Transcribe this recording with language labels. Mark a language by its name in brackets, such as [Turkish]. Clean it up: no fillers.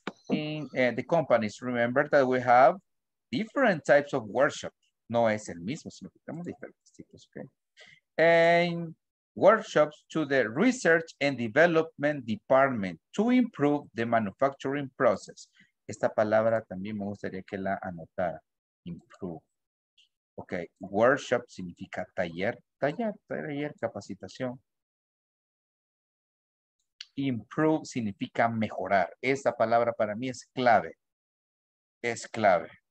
[English] In the companies, remember that we have different types of workshops. [Spanish] No es el mismo, sino que tenemos diferentes tipos, okay? [English] And workshops to the research and development department to improve the manufacturing process. [Spanish] Esta palabra también me gustaría que la anotara. Improve. Okay, workshop significa taller, capacitación. Improve significa mejorar. Esa palabra para mí es clave. Es clave.